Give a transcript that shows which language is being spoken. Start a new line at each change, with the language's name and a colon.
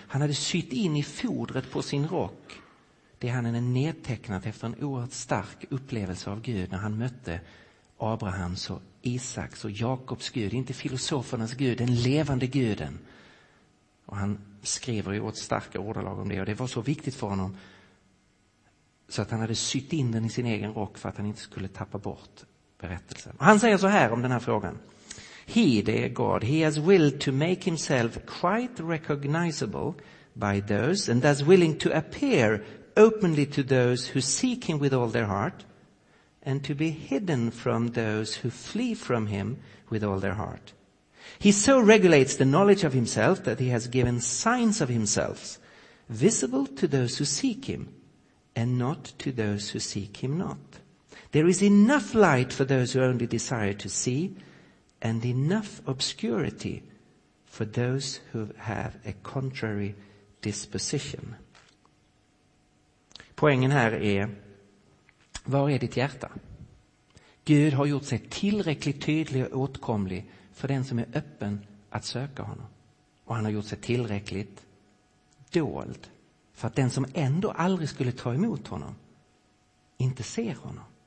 Swedish: Han hade sytt in i fodret på sin rock det han hade nedtecknat efter en oerhört stark upplevelse av Gud när han mötte Abrahams och Isaks och Jakobs Gud, inte filosofernas Gud, den levande guden. Och han skriver i åt starka ordalag om det, och det var så viktigt för honom så att han hade sytt in den i sin egen rock för att han inte skulle tappa bort berättelsen. Och han säger så här om den här frågan:
English: He, the God, he has willed to make himself quite recognizable by those and thus willing to appear openly to those who seek him with all their heart and to be hidden from those who flee from him with all their heart. He so regulates the knowledge of himself that he has given signs of himself visible to those who seek him and not to those who seek him not. There is enough light for those who only desire to see and enough obscurity for those who have a contrary disposition.
Swedish: Poängen här är: var är ditt hjärta? Gud har gjort sig tillräckligt tydlig och åtkomlig för den som är öppen att söka honom. Och han har gjort sig tillräckligt dold för att den som ändå aldrig skulle ta emot honom inte ser honom.